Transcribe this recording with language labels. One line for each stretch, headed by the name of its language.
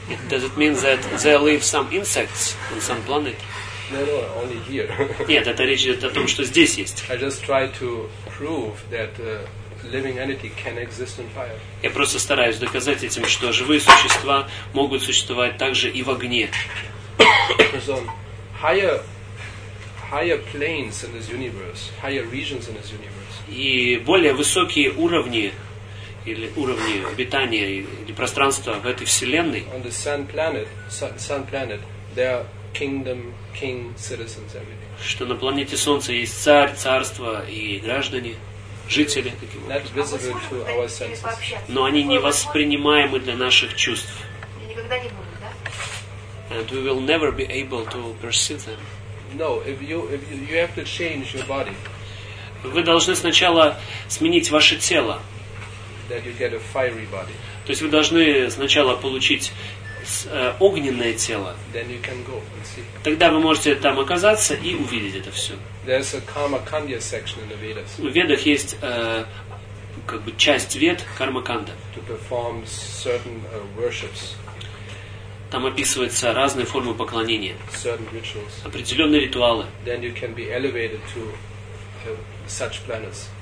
English: Does it mean that there live some insects on some planet? No, only here.
Russian: Нет, это речь идет о том, что здесь есть.
English: I just try to prove that living entity can exist in fire.
Russian: Я просто стараюсь доказать этим, что живые существа могут существовать также и в огне.
English: So higher planes in this universe, higher regions in this universe.
Russian: И более высокие уровни или уровни обитания или пространства в этой вселенной.
English: On the sun planet, there are kingdom, king, citizens, everything.
Russian: Что на планете Солнца есть царь, царство и граждане, жители.
English: Not visible to our senses.
Russian: Но они невоспринимаемы для наших чувств. Никогда не будут, да?
English: And we will never be able to perceive them. No, if you have to change your body.
Russian: Вы должны сначала сменить ваше тело.
English: That you get a fiery body.
Russian: То есть вы должны сначала получить огненное тело.
English: Then you can go and see.
Russian: Тогда вы можете там оказаться и увидеть это все.
English: There's a karma kanda section in the Vedas.
Russian: В Ведах есть как бы часть Вед карма канда.
English: To perform certain worships.
Russian: Там описываются разные формы поклонения.
English: Certain rituals.
Russian: Определенные ритуалы.
English: Then you can be elevated to such planets.